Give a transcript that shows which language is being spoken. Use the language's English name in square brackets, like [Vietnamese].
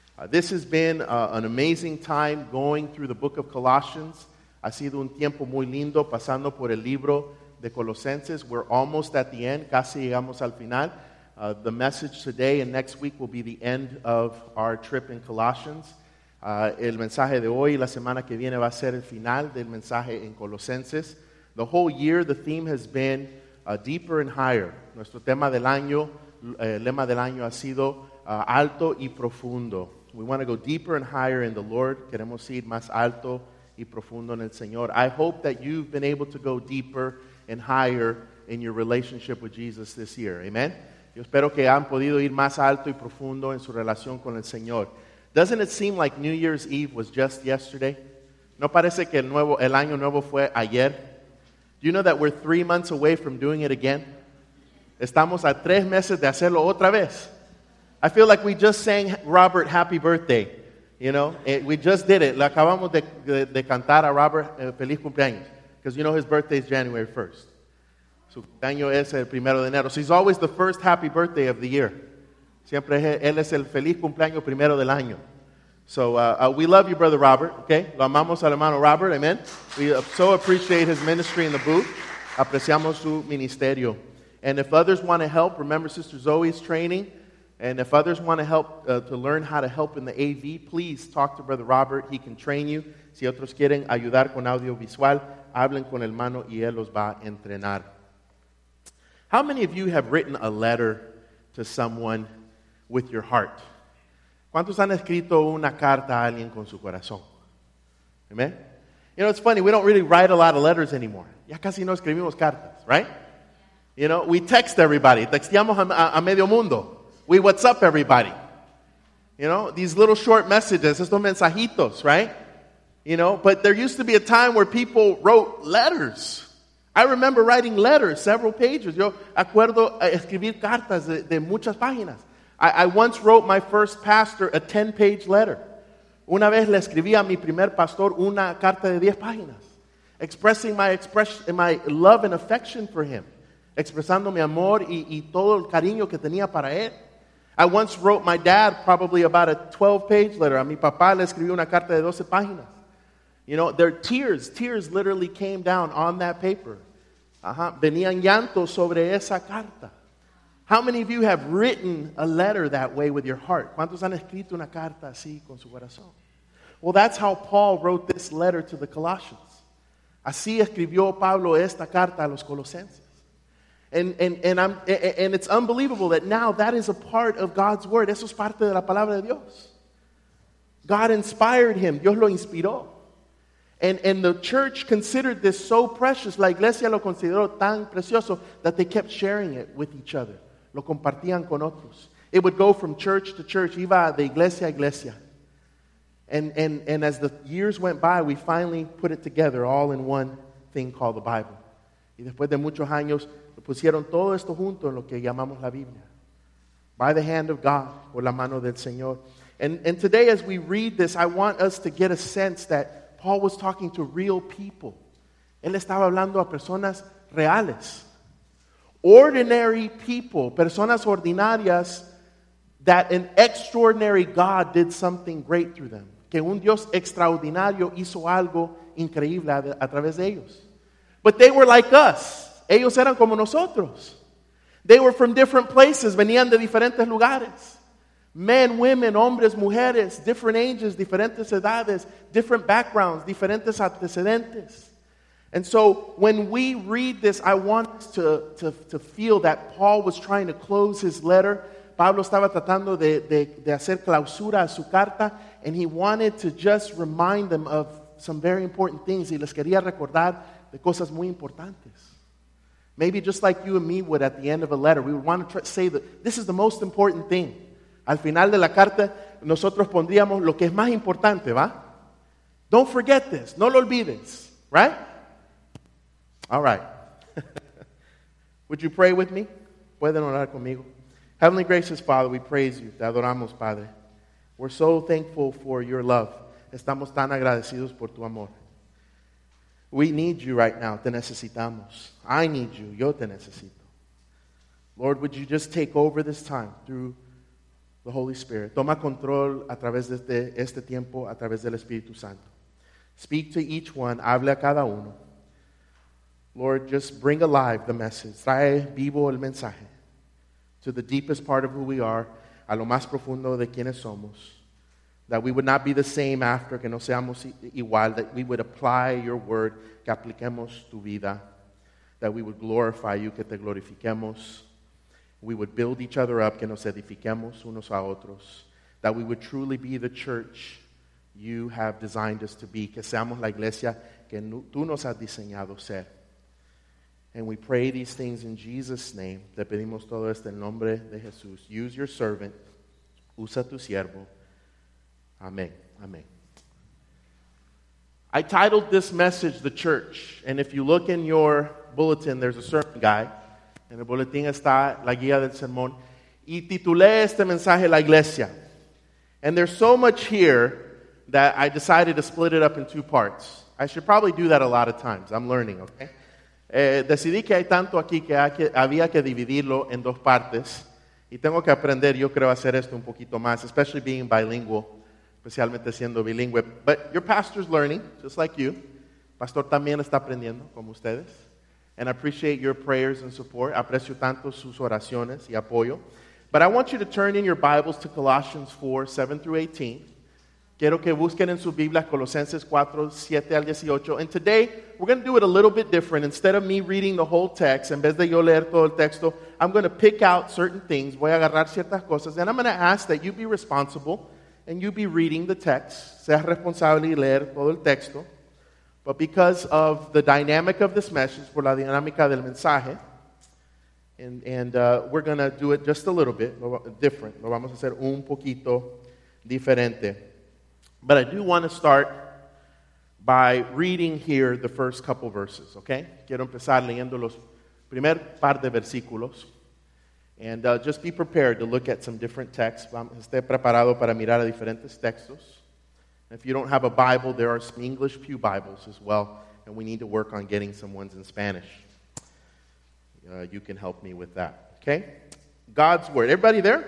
[English] This has been an amazing time going through the book of Colossians. [Spanish] Ha sido un tiempo muy lindo pasando por el libro de Colosenses. [English] We're almost at the end. [Spanish] Casi llegamos al final. [English] The message today and next week will be the end of our trip in Colossians. [Spanish] El mensaje de hoy y la semana que viene va a ser el final del mensaje en Colosenses. [English] The whole year, the theme has been deeper and higher. [Spanish] Nuestro tema del año, el lema del año ha sido alto y profundo. [English] We want to go deeper and higher in the Lord. [Spanish] Queremos ir más alto y profundo en el Señor. [English] I hope that you've been able to go deeper and higher in your relationship with Jesus this year. Amen. [Spanish] Yo espero que han podido ir más alto y profundo en su relación con el Señor. [English] Doesn't it seem like New Year's Eve was just yesterday? [Spanish] No parece que el año nuevo fue ayer. [English] Do you know that we're 3 months away from doing it again? [Spanish] Estamos a 3 meses de hacerlo otra vez. [English] I feel like we just sang Robert happy birthday, you know? We just did it. [Spanish] Le acabamos de cantar a Robert feliz cumpleaños. [English] Because, you know, his birthday is January 1st. [Spanish] Su cumpleaños es el primero de enero. [English] So he's always the first happy birthday of the year. [Spanish] Siempre él es el feliz cumpleaños primero del año. [English] So we love you, Brother Robert, okay? [Spanish] Lo amamos al hermano Robert, amen? [English] We so appreciate his ministry in the booth. [Spanish] Apreciamos su ministerio. [English] And if others want to help, remember Sister Zoe's training. And if others want to help to learn how to help in the AV, please talk to Brother Robert. He can train you. [Spanish] Si otros quieren ayudar con audiovisual, hablen con el hermano y él los va a entrenar. [English] How many of you have written a letter to someone with your heart? [Spanish] ¿Cuántos han escrito una carta a alguien con su corazón? [English] Amen? You know, it's funny. We don't really write a lot of letters anymore. [Spanish] Ya casi no escribimos cartas, [English] right? You know, we text everybody. [Spanish] Texteamos a medio mundo. [English] We what's up, everybody. You know, these little short messages, [Spanish] estos mensajitos, [English] right? You know, but there used to be a time where people wrote letters. I remember writing letters, several pages. [Spanish] Yo acuerdo escribir cartas de muchas páginas. [English] I once wrote my first pastor a 10-page letter. [Spanish] Una vez le escribí a mi primer pastor una carta de 10 páginas, [English] expressing my love and affection for him, [Spanish] expresando mi amor y todo el cariño que tenía para él. [English] I once wrote my dad probably about a 12-page letter. [Spanish] A mi papá le escribí una carta de 12 páginas. [English] You know, their tears literally came down on that paper. Uh-huh. [Spanish] Venían llantos sobre esa carta. [English] How many of you have written a letter that way with your heart? [Spanish] ¿Cuántos han escrito una carta así con su corazón? [English] Well, that's how Paul wrote this letter to the Colossians. [Spanish] Así escribió Pablo esta carta a los Colosenses. [English] And it's unbelievable that now that is a part of God's word. [Spanish] Eso es parte de la palabra de Dios. [English] God inspired him. [Spanish] Dios lo inspiró. [English] And the church considered this so precious, [Spanish] la iglesia lo consideró tan precioso, [English] that they kept sharing it with each other. [Spanish] Lo compartían con otros. [English] It would go from church to church, [Spanish] iba de iglesia a iglesia. [English] And as the years went by, we finally put it together all in one thing called the Bible. [Spanish] Y después de muchos años, lo pusieron todo esto junto en lo que llamamos la Biblia. [English] By the hand of God, [Spanish] por la mano del Señor. [English] And today as we read this, I want us to get a sense that Paul was talking to real people. [Spanish] Él estaba hablando a personas reales. [English] Ordinary people, [Spanish] personas ordinarias, [English] that an extraordinary God did something great through them. [Spanish] Que un Dios extraordinario hizo algo increíble a través de ellos. [English] But they were like us. [Spanish] Ellos eran como nosotros. [English] They were from different places. [Spanish] Venían de diferentes lugares. [English] Men, women, [Spanish] hombres, mujeres, [English] different ages, [Spanish] diferentes edades, [English] different backgrounds, [Spanish] diferentes antecedentes. [English] And so when we read this, I want us to feel that Paul was trying to close his letter. [Spanish] Pablo estaba tratando de hacer clausura a su carta, [English] and he wanted to just remind them of some very important things. [Spanish] Y les quería recordar de cosas muy importantes. [English] Maybe just like you and me would at the end of a letter, we would want to say that this is the most important thing. [Spanish] Al final de la carta, nosotros pondríamos lo que es más importante, ¿va? [English] Don't forget this. [Spanish] No lo olvides, [English] right? All right. Would you pray with me? [Spanish] ¿Pueden orar conmigo? [English] Heavenly gracious Father, we praise you. [Spanish] Te adoramos, Padre. [English] We're so thankful for your love. [Spanish] Estamos tan agradecidos por tu amor. [English] We need you right now. [Spanish] Te necesitamos. [English] I need you. [Spanish] Yo te necesito. [English] Lord, would you just take over this time through The Holy Spirit. [Spanish] Toma control a través de este tiempo, a través del Espíritu Santo. [English] Speak to each one. [Spanish] Hable a cada uno. [English] Lord, just bring alive the message. [Spanish] Trae vivo el mensaje. [English] To the deepest part of who we are. [Spanish] A lo más profundo de quienes somos. [English] That we would not be the same after. [Spanish] Que no seamos igual. [English] That we would apply your word. [Spanish] Que apliquemos tu vida. [English] That we would glorify you. [Spanish] Que te glorifiquemos. [English] We would build each other up. [Spanish] Que nos edifiquemos unos a otros. [English] That we would truly be the church you have designed us to be. [Spanish] Que seamos la iglesia que tú nos has diseñado ser. [English] And we pray these things in Jesus' name. [Spanish] Te pedimos todo esto en nombre de Jesús. [English] Use your servant. [Spanish] Usa tu siervo. Amén. Amén. [English] I titled this message, The Church. And if you look in your bulletin, there's a sermon guide. [Spanish] En el boletín está la guía del sermón. Y titulé este mensaje, La Iglesia. [English] And there's so much here that I decided to split it up in two parts. I should probably do that a lot of times. I'm learning, okay? [Spanish] Decidí que hay tanto aquí que había que dividirlo en dos partes. Y tengo que aprender, yo creo, hacer esto un poquito más, [English] especially being bilingual, [Spanish] especialmente siendo bilingüe. [English] But your pastor's learning, just like you. [Spanish] Pastor también está aprendiendo, como ustedes. [English] And I appreciate your prayers and support. [Spanish] Aprecio tanto sus oraciones y apoyo. [English] But I want you to turn in your Bibles to Colossians 4, 7 through 18. [Spanish] Quiero que busquen en su Biblia Colosenses 4, 7 al 18. [English] And today, we're going to do it a little bit different. Instead of me reading the whole text, [Spanish] en vez de yo leer todo el texto, [English] I'm going to pick out certain things. [Spanish] Voy a agarrar ciertas cosas. [English] And I'm going to ask that you be responsible and you be reading the text. [Spanish] Sea responsable y leer todo el texto. [English] But because of the dynamic of this message, [Spanish] por la dinámica del mensaje, [English] and we're going to do it just a little bit different. [Spanish] Lo vamos a hacer un poquito diferente. [English] But I do want to start by reading here the first couple verses, okay? [Spanish] Quiero empezar leyendo los primer par de versículos. [English] And just be prepared to look at some different texts. [Spanish] Esté preparado para mirar a diferentes textos. [English] And if you don't have a Bible, there are some English pew Bibles as well. And we need to work on getting some ones in Spanish. You can help me with that, okay? God's Word. Everybody there?